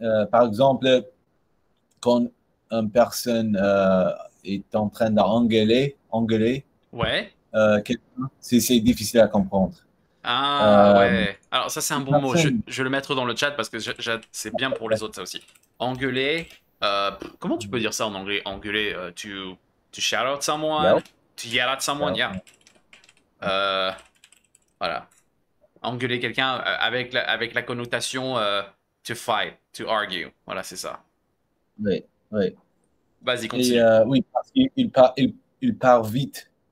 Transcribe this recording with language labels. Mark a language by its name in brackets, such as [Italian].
[French] Par exemple, quand une personne est en train d'engueuler, ouais, quelqu'un, c'est difficile à comprendre. Ah ouais, alors ça c'est un bon mot, je vais le mettre dans le chat parce que c'est bien pour les autres ça aussi. Engueuler, comment tu peux dire ça en anglais? [English] Engueuler, to shout out someone, yep, to yell at someone, yep, yeah. [French] Voilà, engueuler quelqu'un avec la connotation [English] to fight, to argue, [French] voilà c'est ça. Oui. Oui. Vas-y, continue. Et, oui, parce qu'il part vite.